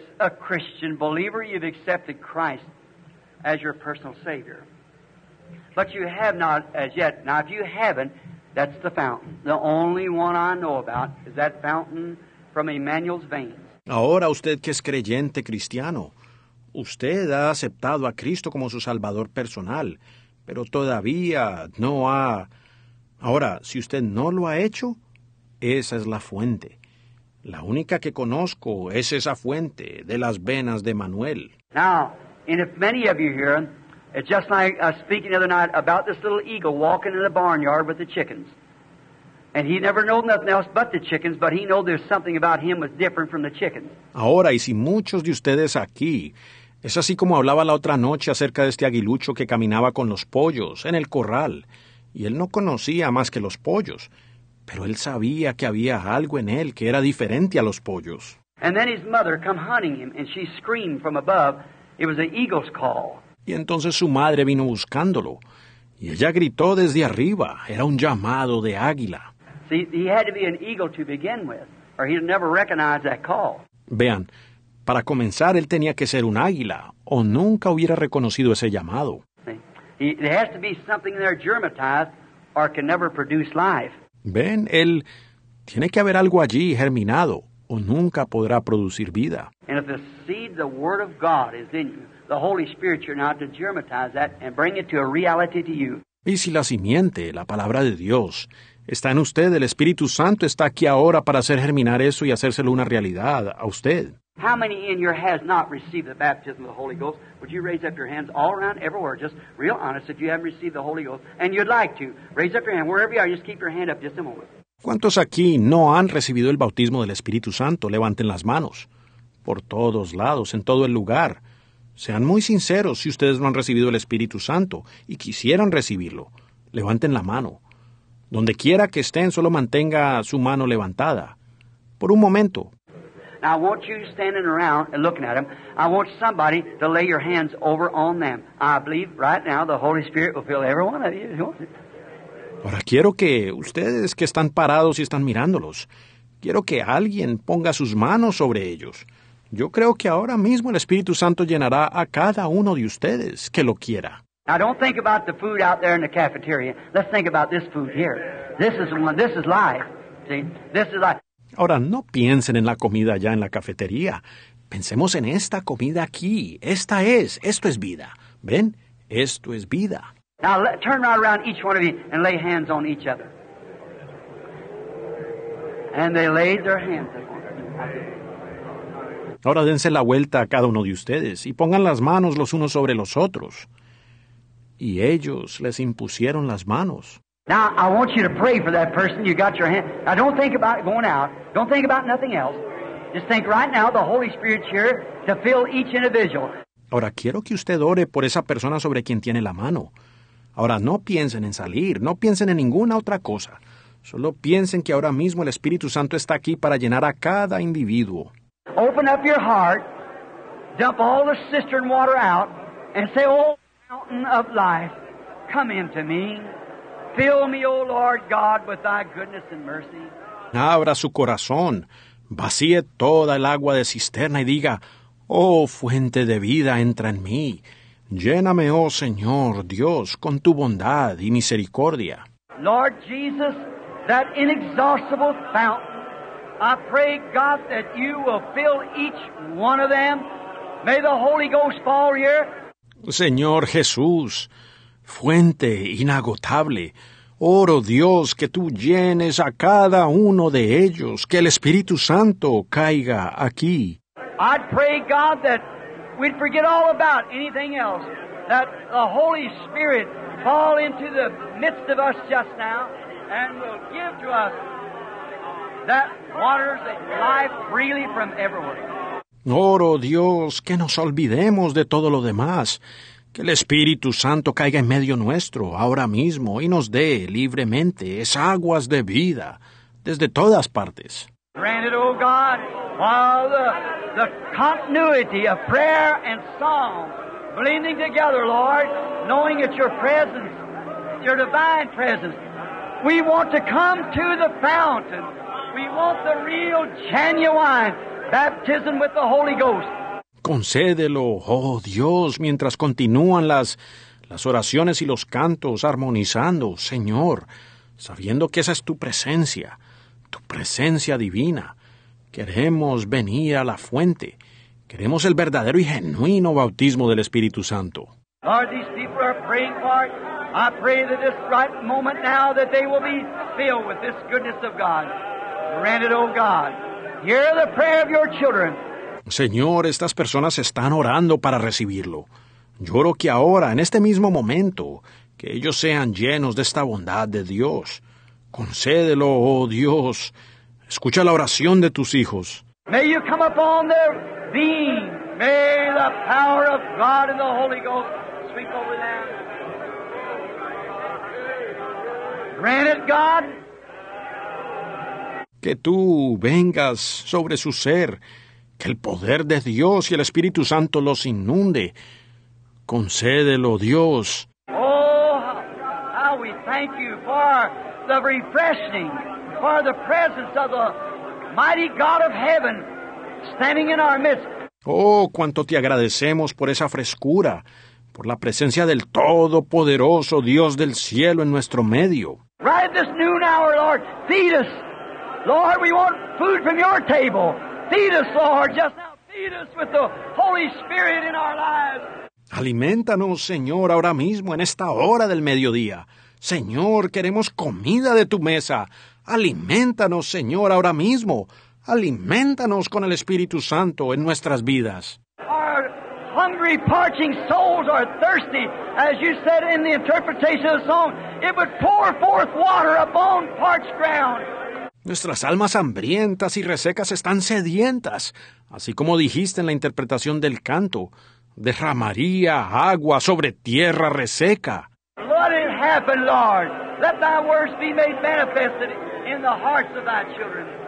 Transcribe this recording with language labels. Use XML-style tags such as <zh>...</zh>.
<en>Christian believer, you've accepted Christ as your personal Savior. But you have not as yet. Now, if you haven't, that's the fountain. The only one I know about is that fountain from Emmanuel's veins.</en> <es>Ahora usted que es creyente cristiano, usted ha aceptado a Cristo como su Salvador personal, pero todavía no ha... Ahora, si usted no lo ha hecho, esa es la fuente. La única que conozco es esa fuente de las venas de Manuel.</es> <en>Now, and if many of you here, it's just like speaking the other night about this little eagle walking in the barnyard with the chickens. And he never knew nothing else but the chickens, but he knew there's something about him was different from the chickens.</en> <es>Ahora, y si muchos de ustedes aquí, es así como hablaba la otra noche acerca de este aguilucho que caminaba con los pollos en el corral, y él no conocía más que los pollos, pero él sabía que había algo en él que era diferente a los pollos.</es> <en>And then his mother come hunting him, and she screamed from above. It was an eagle's call.</en> <es>Y entonces su madre vino buscándolo, y ella gritó desde arriba. Era un llamado de águila.</es> <en>See, he had to be an eagle to begin with, or he'd never recognize that call.</en> <es>Vean, para comenzar, él tenía que ser un águila, o nunca hubiera reconocido ese llamado.</es> <en>There has to be something there germatized, or can never produce life.</en> <es>Ven, él tiene que haber algo allí germinado, o nunca podrá producir vida.</es> <en>And if the seed, the word of God, is in you, the Holy Spirit, you're now to germatize that and bring it to a reality to you.</en> <es>Y si la simiente, la palabra de Dios, está en usted, el Espíritu Santo está aquí ahora para hacer germinar eso y hacérselo una realidad a usted.</es> <en>How many in here has not received the baptism of the Holy Ghost? Would you raise up your hands all around, everywhere, just real honest, if you haven't received the Holy Ghost, and you'd like to, raise up your hand, wherever you are, just keep your hand up just a moment.</en> <es>¿Cuántos aquí no han recibido el bautismo del Espíritu Santo? Levanten las manos. Por todos lados, en todo el lugar. Sean muy sinceros si ustedes no han recibido el Espíritu Santo y quisieran recibirlo. Levanten la mano. Donde quiera que estén, solo mantenga su mano levantada. Por un momento.</es> <en>Now, I want you standing around and looking at them. I want somebody to lay your hands over on them. I believe right now the Holy Spirit will fill every one of you.</en> <es>Ahora, quiero que ustedes que están parados y están mirándolos, quiero que alguien ponga sus manos sobre ellos. Yo creo que ahora mismo el Espíritu Santo llenará a cada uno de ustedes que lo quiera.</es> <en>Now, don't think about the food out there in the cafeteria. Let's think about this food here. This is one. This is life. See? This is life.</en> <es>Ahora, no piensen en la comida allá en la cafetería. Pensemos en esta comida aquí. Esta es. Esto es vida. ¿Ven? Esto es vida.</es> <en>Now, turn right around each one of you and lay hands on each other. And they laid their hands upon.</en> <es>Ahora, dense la vuelta a cada uno de ustedes y pongan las manos los unos sobre los otros. Y ellos les impusieron las manos.</es> <en>Now, I want you to pray for that person. You got your hand. Now, don't think about going out. Don't think about nothing else. Just think right now, the Holy Spirit's here to fill each individual.</en> <es>Ahora, quiero que usted ore por esa persona sobre quien tiene la mano. Ahora, no piensen en salir. No piensen en ninguna otra cosa. Solo piensen que ahora mismo el Espíritu Santo está aquí para llenar a cada individuo.</es> <en>Open up your heart. Dump all the cistern water out. And say, oh, fountain of life, come into me. Fill me, O Lord God, with thy goodness and mercy.</en> <es>Abra su corazón, vacíe toda el agua de cisterna y diga, oh, fuente de vida, entra en mí. Lléname, oh, Señor Dios, con tu bondad y misericordia.</es> <en>Lord Jesus, that inexhaustible fountain. I pray, God, that you will fill each one of them. May the Holy Ghost fall here.</en> <es>Señor Jesús, fuente inagotable, oro Dios que tú llenes a cada uno de ellos, que el Espíritu Santo caiga aquí.</es> <en>I'd pray, God, that we'd forget all about anything else, that the Holy Spirit fall into the midst of us just now and will give to us that waters of life freely from everywhere.</en> <es>Oro Dios, que nos olvidemos de todo lo demás, que el Espíritu Santo caiga en medio nuestro ahora mismo y nos dé libremente esas aguas de vida desde todas partes.</es> <en>Granted, oh God, while the continuity of prayer and song blending together, Lord, knowing it's your presence, your divine presence, we want to come to the fountain. We want the real, genuine baptism with the Holy Ghost.</en> <es>Concédelo, oh Dios, mientras continúan las oraciones y los cantos armonizando, Señor, sabiendo que esa es tu presencia divina. Queremos venir a la fuente. Queremos el verdadero y genuino bautismo del Espíritu Santo.</es> <en>Lord, these people are praying for it. I pray that this right moment now that they will be filled with this goodness of God. Granted, oh God, hear the prayer of your children.</en> <es>Señor, estas personas están orando para recibirlo. Lloro que ahora, en este mismo momento, que ellos sean llenos de esta bondad de Dios. Concédelo, oh Dios. Escucha la oración de tus hijos.</es> <en>May you come upon their being. May the power of God and the Holy Ghost sweep over them. Granted, God.</en> <es>Que tú vengas sobre su ser. Que el poder de Dios y el Espíritu Santo los inunde. Concédelo, Dios.</es> <en>Oh, how we thank you for the refreshing, for the presence of the mighty God of heaven standing in our midst.</en> <es>Oh, cuánto te agradecemos por esa frescura, por la presencia del Todopoderoso Dios del cielo en nuestro medio.</es> <en>Right at this noon hour, Lord, feed us. Lord, we want food from your table. Feed us, Lord, just now. Feed us with the Holy Spirit in our lives.</en> <es>Aliméntanos, Señor, ahora mismo, en esta hora del mediodía. Señor, queremos comida de tu mesa. Aliméntanos, Señor, ahora mismo. Aliméntanos con el Espíritu Santo en nuestras vidas.</es> <en>Our hungry, parching souls are thirsty. As you said in the interpretation of the song, it would pour forth water upon parched ground.</en> <es>Nuestras almas hambrientas y resecas están sedientas, así como dijiste en la interpretación del canto, derramaría agua sobre tierra reseca.</es> <en>Let it happen, Lord. Let thy words be made manifested in the hearts of thy children.</en>